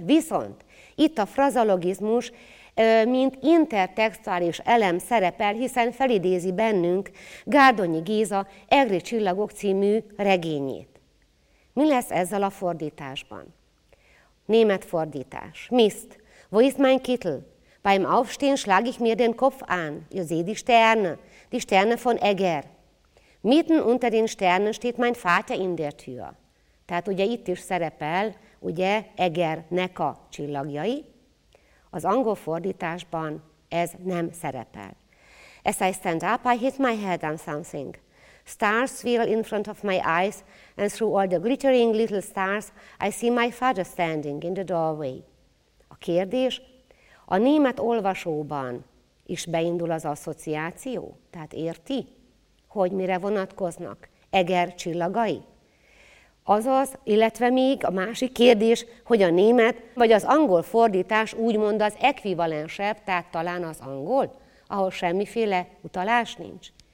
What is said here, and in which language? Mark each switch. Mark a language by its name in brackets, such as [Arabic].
[Hungarian] Viszont itt a frazeologizmus, mint intertextuális elem szerepel, hiszen felidézi bennünk Gárdonyi Géza Egri csillagok című regényét. Mi lesz ezzel a fordításban? Német fordítás. [German] Mist, wo ist mein Kittel? Beim Aufstehen schlage ich mir den Kopf an. Ihr seht die Sterne von Eger. Mitten unter den Sternen steht mein Vater in der Tür. [Hungarian] Tehát ugye itt is szerepel, ugye, Egernek a csillagjai. Az angol fordításban ez nem szerepel. [English] As I stand up, I hit my head on something. Stars swirl in front of my eyes, and through all the glittering little stars, I see my father standing in the doorway. [Hungarian] A kérdés, a német olvasóban is beindul az asszociáció? Tehát érti, hogy mire vonatkoznak Eger csillagai? Azaz, illetve még a másik kérdés, hogy a német vagy az angol fordítás úgymond az ekvivalensebb, tehát talán az angol, ahol semmiféle utalás nincs.